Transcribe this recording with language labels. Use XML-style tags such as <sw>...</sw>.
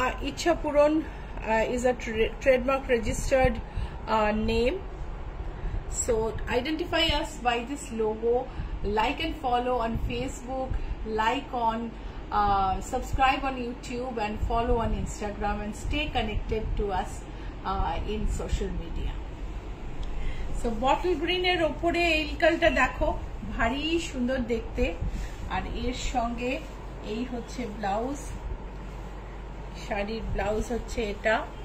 <en>Ichchhapuran is a trademark registered name, So identify us by this logo, like and follow on Facebook, like on subscribe on YouTube and follow on Instagram and stay connected to us in social media.</en> <bn>So bottle green এর উপরে ইলকালটা দেখো, ভারি সুন্দর দেখতে। আর এর সঙ্গে এই হচ্ছে ব্লাউজ, শাড়ির ব্লাউজ হচ্ছে এটা।</bn>